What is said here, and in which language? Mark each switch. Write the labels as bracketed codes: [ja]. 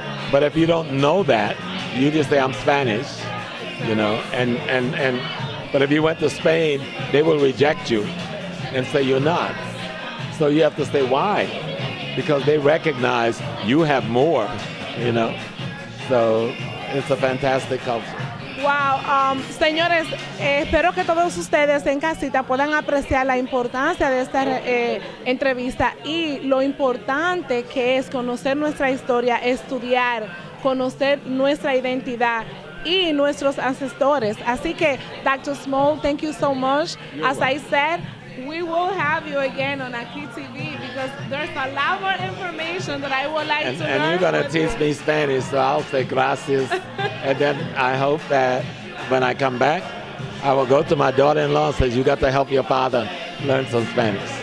[en] But if you don't know that, you just say, I'm Spanish. You know, and but if you went to Spain, they will reject you and say you're not. So you have to say why? Because they recognize you have more, you know. So it's a fantastic culture. [es] Wow, señores, espero que todos ustedes en casita puedan apreciar la importancia de esta entrevista y lo importante que es conocer nuestra historia, estudiar, conocer nuestra identidad y nuestros ancestores. Así que, [en] Dr. Small, thank you so much. You're As welcome. I said, we will have you again on Aquí TV because there's a lot more information that I would like and, to learn. And you're going to teach me Spanish, so I'll say gracias. And then I hope that when I come back, I will go to my daughter-in-law and say, you got to help your father learn some Spanish.